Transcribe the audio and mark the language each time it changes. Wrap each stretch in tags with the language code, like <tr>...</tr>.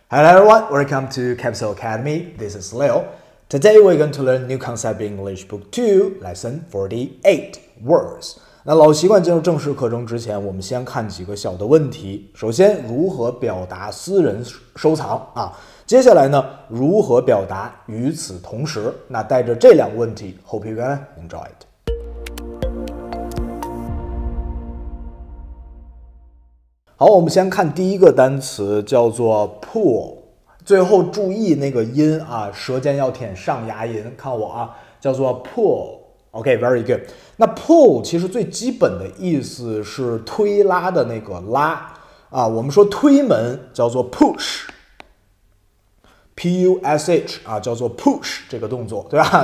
<en>Hello everyone, welcome to Capsule Academy. This is Leo. Today we're going to learn new concept in English Book 2, Lesson 48, Words.</en> <zh>那老习惯进入正式课程之前，我们先看几个小的问题。首先，如何表达私人收藏啊？接下来呢，如何表达与此同时？那带着这两个问题 ，</zh> <en>Hope you can enjoy it.</en> <zh>好，我们先看第一个单词，叫做 pool， 最后注意那个音啊，舌尖要舔上牙龈，看我啊，叫做 pool。</zh> <en>OK， very good。</en> <zh>那 pull 其实最基本的意思是推拉的那个拉啊，我们说推门叫做 push， P-U-S-H 啊，叫做 push 这个动作，对吧？</zh>